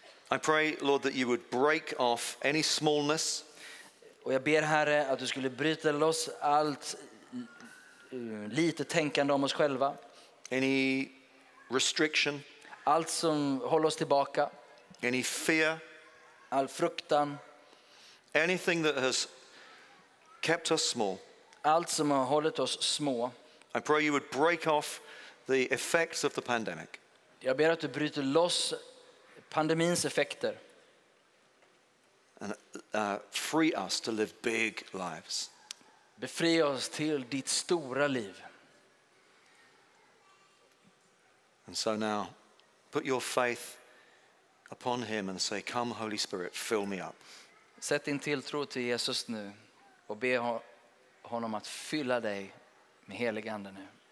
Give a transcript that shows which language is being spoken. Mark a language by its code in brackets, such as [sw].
[en] I pray, Lord, that you would break off any smallness. [sv] Och jag ber Herre att du skulle bryta loss allt lite tänkande om oss själva. [en] Any restriction. [sv] Allt som håller oss tillbaka. [en] Any fear. [sv] All fruktan. [en] Anything that has kept us small. [sv] Allt som har hållit oss små. [en] I pray you would break off the effects of the pandemic. [sv] Jag ber att du bryter loss pandemins effekter. [en] And free us to live big lives. [sv] Befria oss till ditt stora liv. [en] And so now, put your faith upon him and say, "Come, Holy Spirit, fill me up." [sv] Sätt din tilltro till Jesus nu och be honom att fylla dig med helig ande nu.